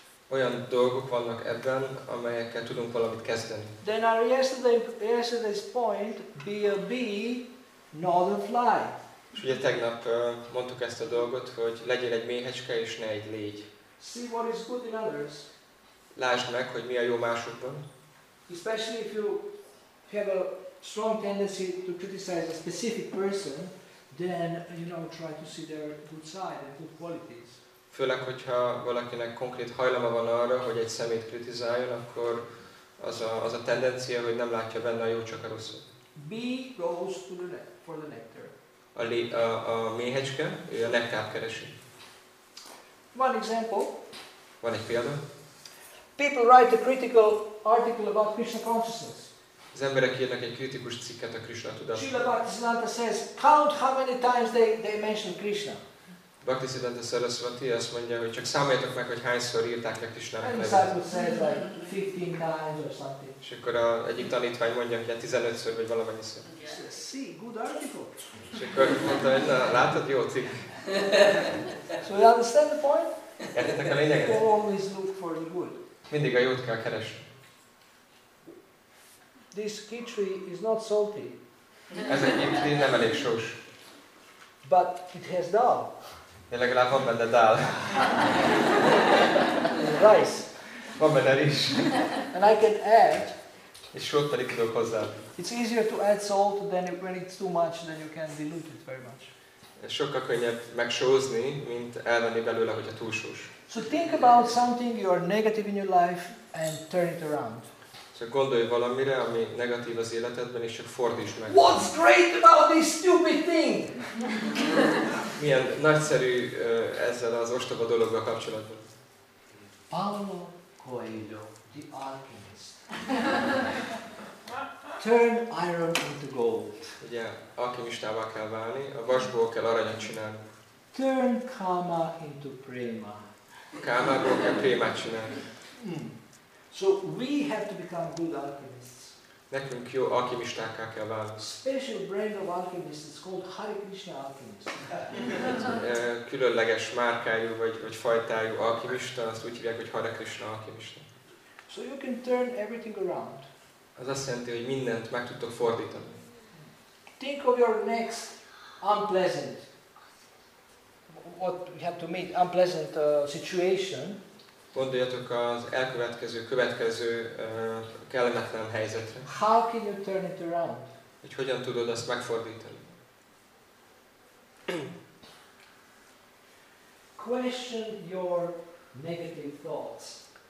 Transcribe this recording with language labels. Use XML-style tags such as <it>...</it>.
<hu>Olyan dolgok vannak ebben, amelyekkel tudunk valamit kezdeni.</hu> <en>Then our yesterday's point, be a bee, not a fly.</en> <hu>És ugye tegnap mondtuk ezt a dolgot, hogy legyél egy méhecske és ne egy légy.</hu> <en>See what is good in others.</en> <hu>Lásd meg, hogy mi a jó másokban.</hu> <en>Especially if you have a strong tendency to criticize a specific person. Then you know, try to see their good side and good qualities.</en> <hu>Főleg, hogyha valakinek konkrét hajlama van arra, hogy egy szemét kritizáljon, akkor az a tendencia, hogy nem látja benne a jó, csak a rosszat.</hu> <en>Bee goes to the for the nectar.</en> <hu>A méhecske, ő a nektár keresi.</hu> <en>One example.</en> <hu>Van egy példa.</hu> <en>People write a critical article about Krishna consciousness.</en> <hu>Az emberek írnak egy kritikus cikket a Krishna tudásról.</hu> <en>Srila Bhaktisiddhanta says, count how many times they mention Krishna.</en> <hu>Bhaktisiddhanta Saraswati azt mondja, hogy csak számoljatok meg, hogy hányszor írták le Krishna nevét.</hu> <en>And Sadhu says like 15 times or something.</en> <hu>És akkor egyik tanítvány mondja, hogy 15-ször vagy valamennyiszor.</hu> <en>See, good article.</en> <hu>És akkor mondta, hogy látod, jó cikk.</hu> <en>So you understand the point?</en> <hu>Értitek a lényeget?</hu> <en>People always look for the good.</en> <hu>Mindig a jót kell keresni.</hu> <en>This khichdi is not salty.</en> <hu>Ez a khichdi nem elég sós.</hu> <en>But it has dal.</en> <hu>De legalább van benne dal.</hu> <en>Rice.</en> <hu>Van benne rizs.</hu> <en>And I can add.</en> <hu>És sót pedig tudok hozzá.</hu> <en>It's easier to add salt than when it's too much, then you can dilute it very much.</en> <hu>sokkal könnyebb megsózni, mint elvenni belőle, hogy a túlsós.</hu> <en>So think about something you are negative in your life and turn it around.</en> <hu>Csak gondolj valamire, ami negatív az életedben, és csak fordítsd meg.</hu> <en>What's great about this stupid thing?</en> <hu>Milyen nagyszerű ezzel az ostoba dologgal kapcsolatban.</hu> <en>Paulo Coelho, the alchemist. Turn iron into gold.</en> <hu>Ugye, alkemistává kell válni, a vasból kell aranyat csinálni.</hu> <en>Turn karma into prema.</en> <hu>Kámából kell prémát csinálni.</hu> <en>So we have to become good alchemists.</en> <hu>Nekünk jó alkimistákká kell válni.</hu> <en>Special brand of alchemists is called Hare Krishna alchemist.</en> <hu>Különleges márkájú vagy fajtájú alkimista, azt úgy hívják, hogy Hare Krishna alchemist.</hu> <en>So you can turn everything around.</en> <hu>Az azt jelenti, hogy mindent meg tudtok fordítani.</hu> <en>Think of your next unpleasant, what you have to meet, unpleasant situation.</en> <hu>Gondoljatok az elkövetkező, következő kellemetlen helyzetre.</hu> <en>How can you turn it around?</en> <hu>Hogy hogyan tudod ezt megfordítani?</hu> <en>Question your negative thoughts.</en>